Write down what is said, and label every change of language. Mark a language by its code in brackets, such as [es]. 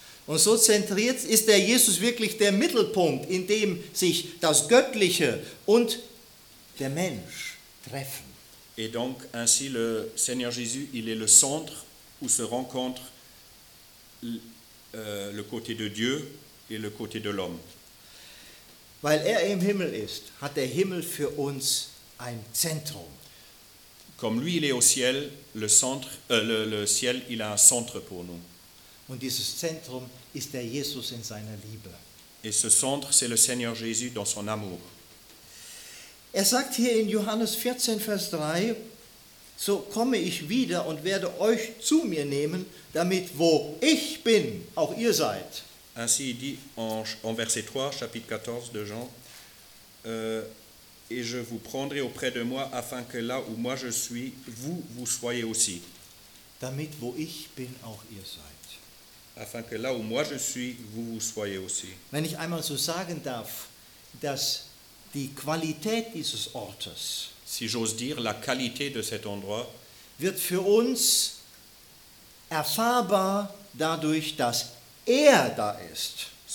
[de] Und so zentriert ist der Jesus wirklich der Mittelpunkt, in dem sich das Göttliche und der Mensch treffen. [fr] Et donc ainsi le Seigneur Jésus, il est le centre où se rencontrent le côté de Dieu et le côté de l'homme. [de] Weil er im Himmel ist, hat der Himmel für uns ein Zentrum. [fr] Comme lui il est au ciel, le centre le ciel, il a un centre pour nous. [de] Und dieses Zentrum ist der Jesus in seiner Liebe. [fr] Et ce centre, c'est le Seigneur Jésus dans son amour. [de] Er sagt hier in Johannes 14, Vers 3, so komme ich wieder und werde euch zu mir nehmen, damit wo ich bin, auch ihr seid. [fr] Ainsi il dit en verset 3, chapitre 14 de Jean, et je vous prendrai auprès de moi, afin que là où moi je suis, vous, vous soyez aussi. [de] Damit wo ich bin, auch ihr seid. [fr] Afin que là où moi je suis, vous, vous soyez aussi. [de] Wenn ich einmal so sagen darf, dass die Qualität dieses Ortes, [fr] si j'ose dire, la qualité de cet endroit, [de] wird für uns erfahrbar dadurch, dass er da ist.